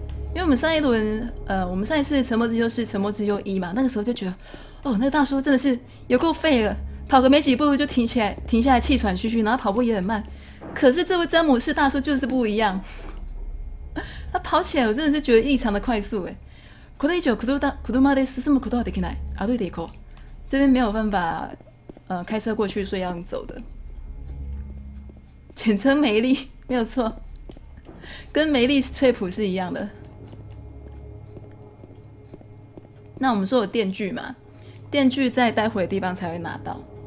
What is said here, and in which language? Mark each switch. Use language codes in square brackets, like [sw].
[zh] 因为我们上一轮，我们上一次沉默之丘是沉默之丘一嘛，那个时候就觉得，哦，那个大叔真的是有够废了，跑个没几步就停下来气喘吁吁，然后跑步也很慢。可是这位詹姆斯大叔就是不一样，他跑起来我真的是觉得异常的快速哎。 [ja] これ以上車で進むことはできない。歩いて行こう。 [zh] 这边没有办法，开车过去，所以要走的。简称梅丽，没有错。跟梅丽斯翠普是一样的。那我们说有电锯嘛，电锯在待会的地方才会拿到。